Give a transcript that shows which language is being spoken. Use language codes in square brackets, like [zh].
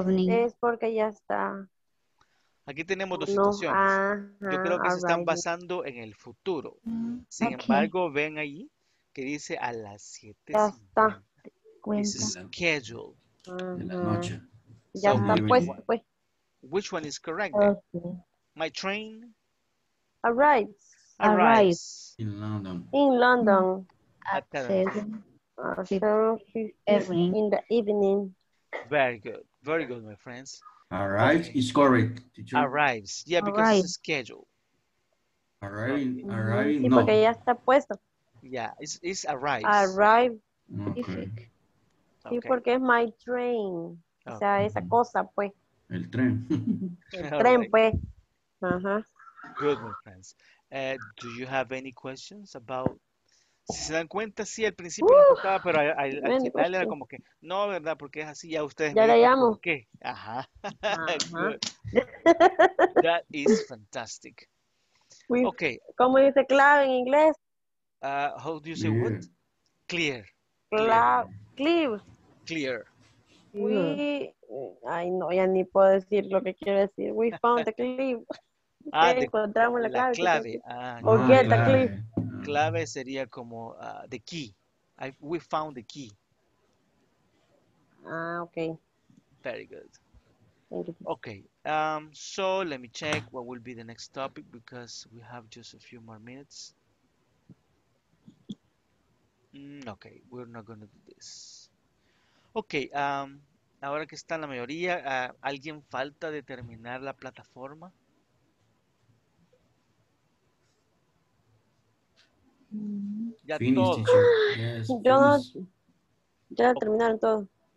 [en] My friend arrives in London at 7:15 in the evening. [es] Aquí tenemos dos situaciones. Yo creo que se están basando en el futuro. Sin embargo, ven ahí que dice a las 7. Ya está. [en] Schedule. [es] De la noche. Ya está, pues. [en] Which one is correct? My train arrives in London at 7:15 in the evening. Very good. Very good, my friends. Arrives is correct, teacher. Arrives. Yeah, because it's scheduled. Arrive. [es] Sí, porque ya está puesto. [en] Yeah, it's arrives. Arrive. Okay. [es] Sí, porque es [en] my train. [es] Okay. O sea, esa cosa, pues. El tren. El tren, [en] right. [es] Pues. [en] Good, my friends. Do you have any questions about... [es] Si se dan cuenta, sí, al principio no tocaba, pero al final era como que... No, ¿verdad? Porque es así, ya ustedes... Ya la llamo. ¿Qué? Ajá. [en] That is fantastic. Okay. [es] ¿Cómo dice clave en inglés? [en] How do you say what? Clear. Clear. [es] Ya ni puedo decir lo que quiero decir. [en] We found the clave. [es] Encontramos la clave. O [en] get the clave. [es] Clave sería como [en] the key. We found the key. Okay. Very good. Thank you. Okay. So let me check what will be the next topic because we have just a few more minutes. Okay, we're not gonna do this. [es] Okay, ahora que está la mayoría, ¿alguien falta de terminar la plataforma? Ya [en] finished, [es] todo. [en] Teacher. Yes, [es] yo no, ya terminaron todo.